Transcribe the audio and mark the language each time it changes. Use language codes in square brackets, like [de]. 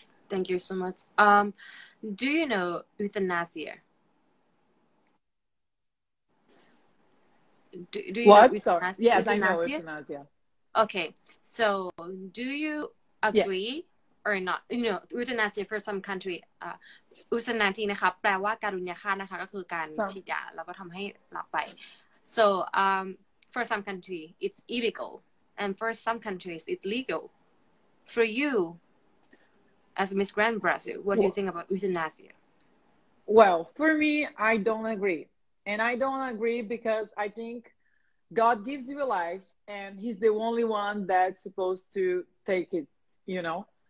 [en] thank you so much. Do you know euthanasia? Do you what? Know sorry. Yes, I know euthanasia. Okay, so do you agree yeah. or not? You know, euthanasia for some country, euthanasia, [th] นะคะ แปลว่าการุญฆาตนะคะ ก็คือการฉีดยา แล้วก็ทำให้หลับไป [en] So, for some country, it's illegal, and for some countries, it's legal. For you, as Miss Grand Brazil, what do you think about euthanasia? Well, for me, I don't agree. And I don't agree because I think God gives you a life and he's the only one that's supposed to take it, you know.